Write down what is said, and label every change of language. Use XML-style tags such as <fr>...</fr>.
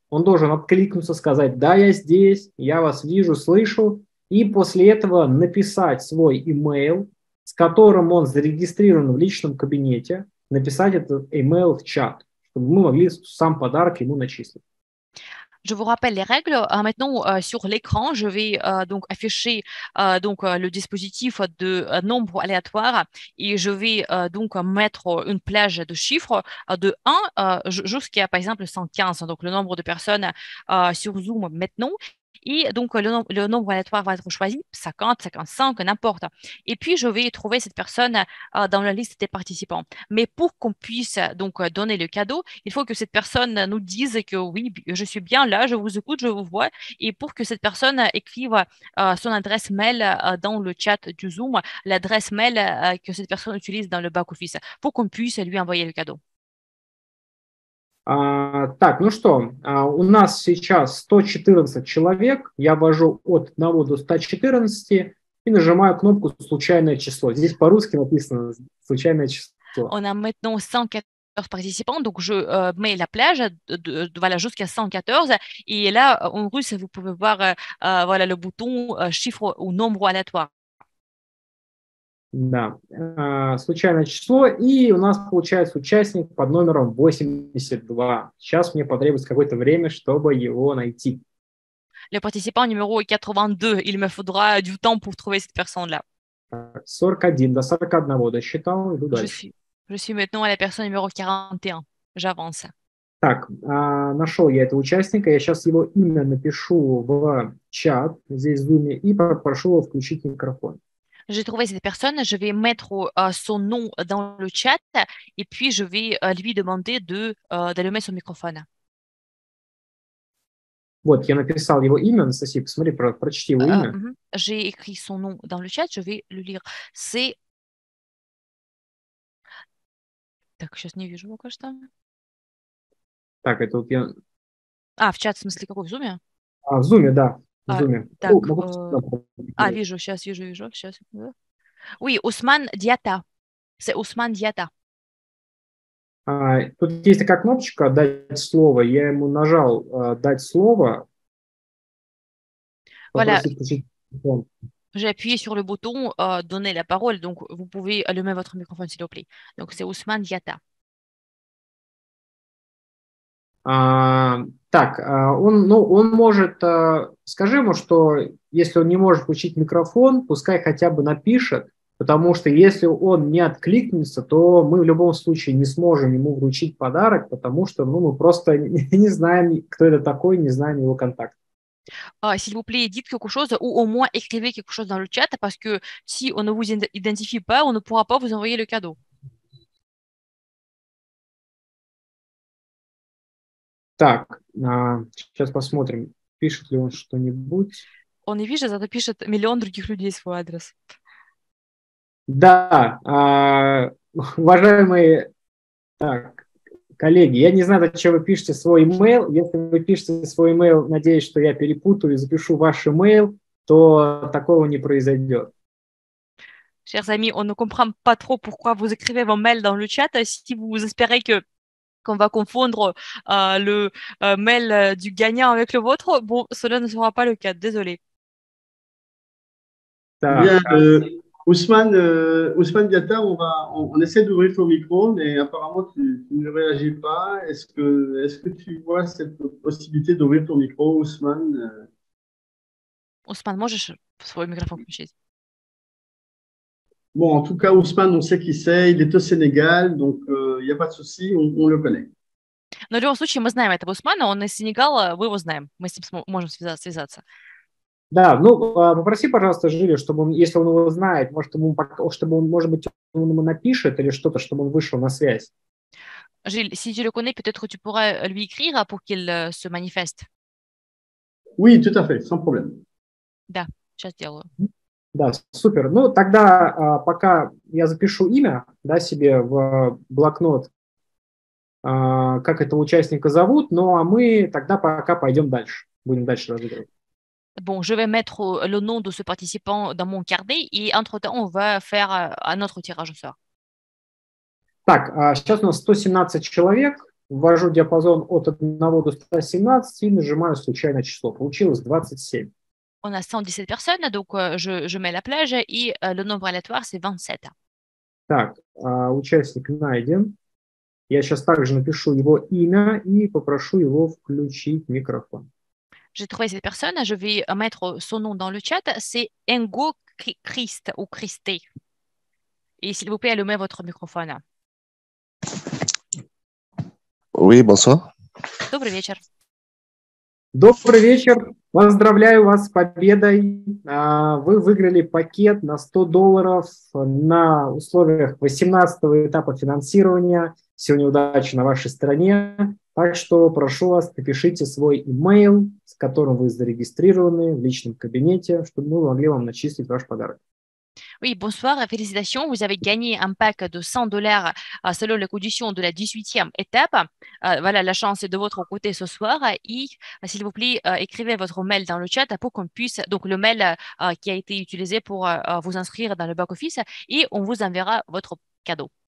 <ru>Он должен откликнуться, сказать, да, я здесь, я вас вижу, слышу, и после этого написать свой имейл, с которым он зарегистрирован в личном кабинете, написать этот имейл в чат, чтобы мы могли сам подарок ему начислить.</ru> <fr>Je vous rappelle les règles. Maintenant, sur l'écran, je vais donc afficher donc le dispositif de nombre aléatoire et je vais donc mettre une plage de chiffres de 1 jusqu'à, par exemple, 115, donc le nombre de personnes sur Zoom maintenant. Et donc, le nombre aléatoire va être choisi, 50, 55, n'importe. Et puis, je vais trouver cette personne dans la liste des participants. Mais pour qu'on puisse donc donner le cadeau, il faut que cette personne nous dise que oui, je suis bien là, je vous écoute, je vous vois. Et pour que cette personne écrive son adresse mail dans le chat du Zoom, l'adresse mail que cette personne utilise dans le back-office, pour qu'on puisse lui envoyer le cadeau.</fr> <ru>Так, ну что, у нас сейчас 114 человек, я ввожу от 1 до 114 и нажимаю кнопку «Случайное число». Здесь по-русски написано «Случайное число».</ru> <fr>On a maintenant 114 participants, donc je mets la plage voilà, jusqu'à 114, et là, en russe, vous pouvez voir voilà, le bouton «Chiffre ou nombre aléatoire».</fr> <ru>Да, случайное число, и у нас получается участник под номером 82. Сейчас мне потребуется какое-то время, чтобы его найти.</ru> <fr>Le participant numéro 82, il me faudra du temps pour trouver cette personne-là.</fr> <ru>41, до 41 досчитал, иду дальше.</ru> <fr>Je suis maintenant à la personne numéro 41, j'avance.</fr> <ru>Так, нашел я этого участника, я сейчас его имя напишу в чат здесь в Zoom и попрошу его включить микрофон.</ru> <fr>J'ai trouvé cette personne, je vais mettre son nom dans le chat et puis je vais lui demander d'allumer son microphone.</fr> <ru>Вот, я написал его имя, Анастасия, посмотри, прочти его имя.</ru> <fr>J'ai écrit son nom dans le chat, je vais le lire. C'est...</fr> <ru>Так, сейчас не вижу, пока что. Так, это вот я... А, в чат, в смысле, какой, в Zoom? А, в Zoom, да. Вижу, сейчас вижу, сейчас.</ru> <fr>Oui,</fr> <ru>Усман Диата.</ru> <fr>C'est</fr> <ru>Усман Диата. Тут есть такая кнопочка «Дать слово». Я ему нажал «Дать слово».</ru> <fr>Voilà. J'ai appuyé sur le bouton «Donner la parole», donc vous pouvez allumer votre microphone, s'il vous plaît. Donc, c'est Усман Диата.</fr> <ru>Так, он, ну, он может, скажи ему, что если он не может включить микрофон, пускай хотя бы напишет, потому что если он не откликнется, то мы в любом случае не сможем ему вручить подарок, потому что ну, мы просто не знаем, кто это такой, не знаем его контакт.</ru> <fr>S'il vous plaît, dites quelque chose ou au moins écrivez quelque chose dans le chat, parce que si on ne vous identifie pas, on ne pourra pas vous envoyer le cadeau.</fr> <ru>Так, сейчас посмотрим, пишет ли он что-нибудь. Он не пишет, зато пишет миллион других людей свой адрес. Да, уважаемые так, коллеги, я не знаю, зачем вы пишете свой имейл. Если вы пишете свой имейл, надеюсь, что я перепутаю и запишу ваш имейл, то такого не произойдет.</ru> <fr>Chers amis, on ne comprend pas trop, pourquoi vous écrivez vos mails dans le chat, si vous espérez que qu'on va confondre le mail du gagnant avec le vôtre. Bon, cela ne sera pas le cas. Désolé. Bien, Ousmane Diata, on essaie d'ouvrir ton micro, mais apparemment, tu ne réagis pas. Est-ce que tu vois cette possibilité d'ouvrir ton micro, Ousmane? Ousmane, moi, je suis sur le microphone que j'ai. Bon, en tout cas, Ousmane, on sait qui c'est. Il est au Sénégal, donc il n'y a pas de souci, on le connaît.</fr> <ru>Но в любом случае, мы знаем этого Усмана, он из Сенегала, мы его знаем, мы с ним можем связаться. Да, ну попроси, пожалуйста, Жили, чтобы он, если он его знает, может, ему, чтобы он, может быть, он ему напишет или что-то, чтобы он вышел на связь.</ru> <fr>Жиль, si tu le connais, peut-être tu pourras lui écrire pour qu'il se manifeste. Oui, tout à fait, sans problème.</fr> <ru>Да, сейчас сделаю. Да, супер. Ну, тогда пока я запишу имя, да, себе в блокнот, как этого участника зовут, ну, а мы тогда пока пойдем дальше, будем дальше разыгрывать.</ru> <fr>Bon, je vais mettre le nom de ce participant dans mon carnet,</fr> <ru>и</ru> <fr>entre-temps, on va faire un autre tirage au sort.</fr> <ru>Так, сейчас у нас 117 человек, ввожу диапазон от 1 до 117 и нажимаю случайное число. Получилось 27.</ru> <fr>On a 117 personnes, donc je mets la plage et le nombre aléatoire, c'est 27.</fr> <ru>Так, участник найден. Я сейчас также напишу его имя и попрошу его включить микрофон.</ru> <fr>J'ai trouvé cette personne, je vais mettre son nom dans le chat. C'est Ingo Christ ou Christé. Et s'il vous plaît, allumez votre microphone. Oui, bonsoir.</fr> <ru>Добрый вечер. Добрый вечер. Поздравляю вас с победой. Вы выиграли пакет на $100 на условиях 18-го этапа финансирования. Все неудачи на вашей стороне. Так что прошу вас, напишите свой имейл, с которым вы зарегистрированы в личном кабинете, чтобы мы могли вам начислить ваш подарок.</ru> <fr>Oui, bonsoir, félicitations. Vous avez gagné un pack de $100 selon les conditions de la 18e étape. Voilà, la chance est de votre côté ce soir. Et s'il vous plaît, écrivez votre mail dans le chat pour qu'on puisse, donc le mail qui a été utilisé pour vous inscrire dans le back office, et on vous enverra votre cadeau.</fr>